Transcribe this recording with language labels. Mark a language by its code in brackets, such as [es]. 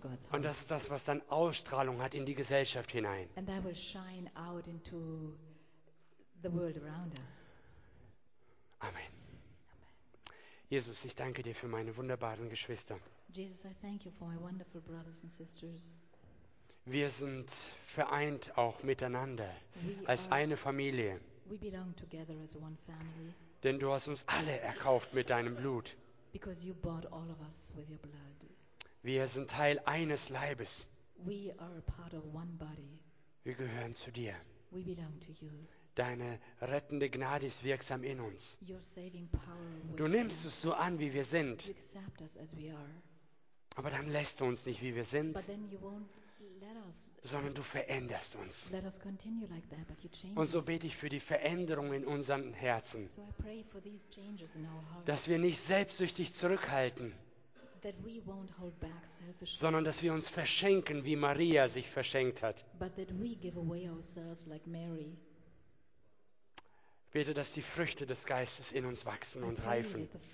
[de] Und das ist das, was dann Ausstrahlung hat in die Gesellschaft hinein. [en] And that will shine out into the world around us. Amen. [de] Jesus, ich danke dir für meine wunderbaren Geschwister. [en] Jesus, I thank you for my wonderful brothers and sisters. [de] Wir sind vereint auch miteinander, als eine Familie. [en] We belong together as one family. [de] Denn du hast uns alle erkauft mit deinem Blut. [en] Because you bought all of us with your blood. [de] Wir sind Teil eines Leibes. [en] We are a part of one body. [de] Wir gehören zu dir. [en] We belong to you. [de] Deine rettende Gnade ist wirksam in uns. [en] Your saving power [de] du nimmst uns so an, wie wir sind. [en] You accept us as we are. [de] Aber dann lässt du uns nicht, wie wir sind, [en] but then you won't let us, [de] sondern du veränderst uns. [en] Let us continue like that, but you change [de] und so bete ich für die Veränderung in unseren Herzen, [en] so I pray for these changes in our hearts, [de] dass wir nicht selbstsüchtig zurückhalten, [en] that we won't hold back selfishly, [de] sondern dass wir uns verschenken, wie Maria sich verschenkt hat. [en] But that we give away ourselves like Mary. [de] Bete, dass die Früchte des Geistes in uns wachsen und reifen.